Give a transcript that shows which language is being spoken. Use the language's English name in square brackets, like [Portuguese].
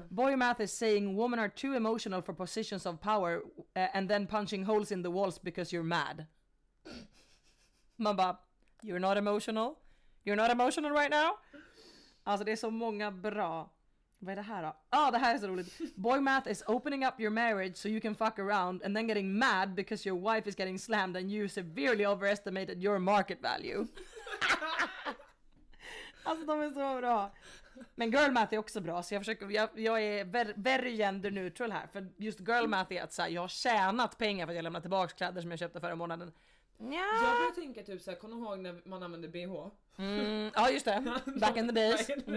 [English] Boy math is saying women are too emotional for positions of power and then punching holes in the walls because you're mad. Man bara, you're not emotional. You're not emotional right now. [Swedish] Alltså det är så många bra. Vad är det här då? Ah, det här är så roligt. [English] Boy math is opening up your marriage so you can fuck around and then getting mad because your wife is getting slammed and you severely overestimated your market value. [Swedish] Alltså de är så bra. Men girl math är också bra, så jag är [English] very gender neutral [Swedish] här. För just girl math är att så här, jag har tjänat pengar för att jag lämnar tillbaka kläder som jag köpte förra månaden. Ja. Jag brukar tänka typ såhär, kom ihåg när man använde BH? Ja, just det, [English] back in the days.